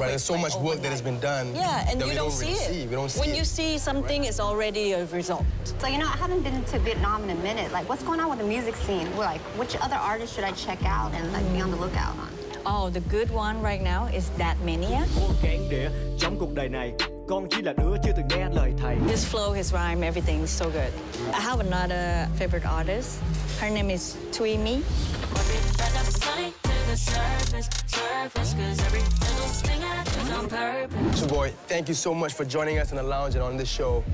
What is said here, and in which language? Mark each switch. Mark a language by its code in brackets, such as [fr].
[en] right, there's so much work that has been done. Yeah, and you don't see it. We don't see it. When you see something, it's already a result. So, you know, I haven't been to Vietnam in a minute. Like, what's going on with the music scene? Like, which other artists should I check out and, like, be on the lookout on? Oh, the good one right now is That Mania. [vi] Trong cuộc đời này, con chỉ là đứa chưa từng nghe lời thầy. [en] His flow, his rhyme, everything is so good. I have another favorite artist. Her name is Thuy My. Suboi, thank you so much for joining us in the lounge and on this show.